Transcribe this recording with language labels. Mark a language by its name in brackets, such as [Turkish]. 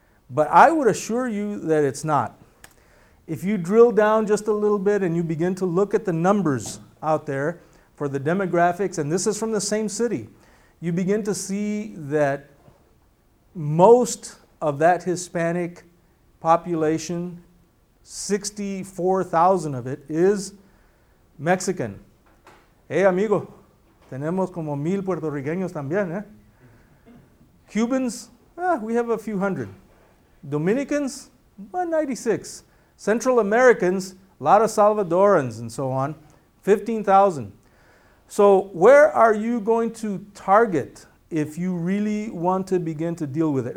[English] But I would assure you that it's not. If you drill down just a little bit and you begin to look at the numbers out there for the demographics, and this is from the same city, you begin to see that most of that Hispanic population, 64,000 of it, is Mexican. [Spanish] Hey, amigo, tenemos como 1,000 puertorriqueños también, eh? [English] Cubans, we have a few hundred. Dominicans, 196. Central Americans, a lot of Salvadorans and so on, 15,000. So where are you going to target if you really want to begin to deal with it?